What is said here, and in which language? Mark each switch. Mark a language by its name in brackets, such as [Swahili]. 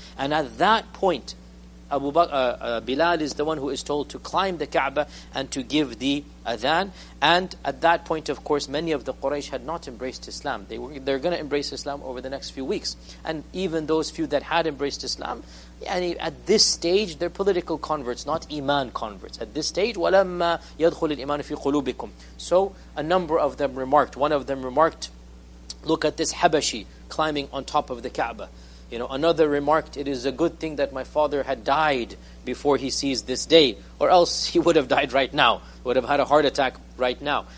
[English] And at that point, Bilal is the one who is told to climb the Kaaba and to give the adhan. And at that point, of course, many of the Quraysh had not embraced Islam. They're going to embrace Islam over the next few weeks. And even those few that had embraced Islam, at this stage, they're political converts, not iman converts. At this stage, [Arabic] وَلَمَّا يَدْخُلِ الْإِيمَانُ فِي قُلُوبِكُمْ. [English] So a number of them remarked. One of them remarked, look at this Habashi climbing on top of the Kaaba. You know, another remarked, it is a good thing that my father had died before he sees this day, or else he would have died right now, would have had a heart attack right now.